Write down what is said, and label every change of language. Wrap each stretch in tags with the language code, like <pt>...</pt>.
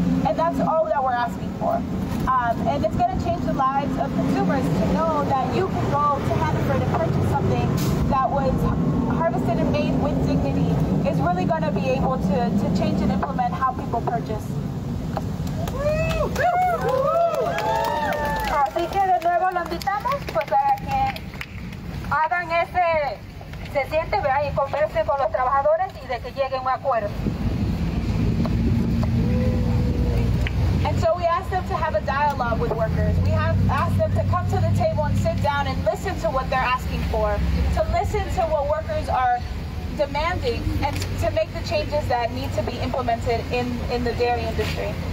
<en>And that's all that we're asking for. And it's going to change the lives of consumers to know that you can go to Hannaford and purchase something that was harvested and made with dignity. It's really going to be able to change and implement how people purchase.</en> <es>Así que de nuevo lo invitamos pues a que hagan ese, se siente, vea, y converse con los trabajadores y de que lleguen un acuerdo.</es> <en>And so we ask them to have a dialogue with workers. We have asked them to come to the table and sit down and listen to what they're asking for, to listen to what workers are demanding, and to make the changes that need to be implemented in the dairy industry.</en>